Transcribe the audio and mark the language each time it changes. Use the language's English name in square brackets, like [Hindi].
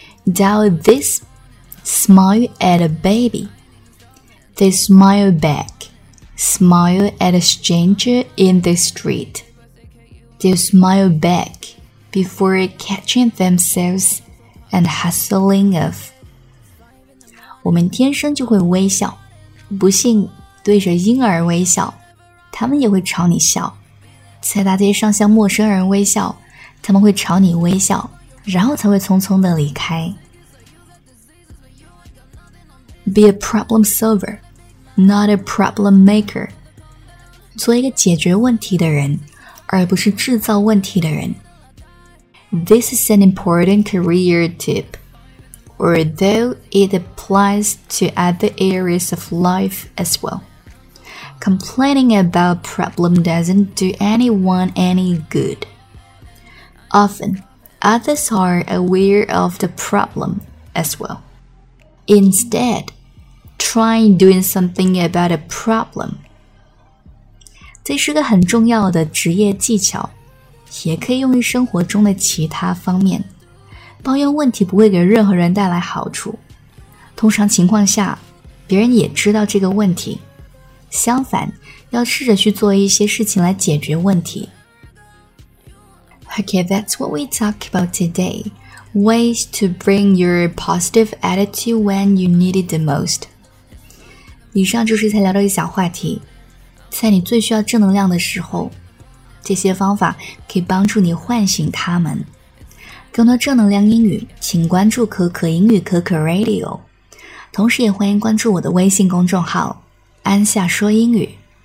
[English] Doubt this, smile at a baby. They smile back. Smile at a stranger in the street. They smile back before catching themselves and hustling off. [Chinese] 我们天生就会微笑，不信对着婴儿微笑，他们也会朝你笑。在大街上向陌生人微笑，他们会朝你微笑，然后才会匆匆地离开。 [English] Be a problem solver, not a problem maker. [Chinese] 做一个解决问题的人，而不是制造问题的人。 [English] This is an important career tip. Although it applies to other areas of life as well. Complaining about problem doesn't do anyone any good. Often, others are aware of the problem as well. Instead, try doing something about a problem. [Chinese] 这是个很重要的职业技巧，也可以用于生活中的其他方面。抱怨问题不会给任何人带来好处。通常情况下，别人也知道这个问题。相反，要试着去做一些事情来解决问题。 [English] Okay, that's what we talk about today. Ways to bring your positive attitude when you need it the most. [Chinese] 以上就是才聊到一小话题。在你最需要正能量的时候，这些方法可以帮助你唤醒他们。更多正能量英语请关注可可英语可可 Radio， 同时也欢迎关注我的微信公众号安夏说英语。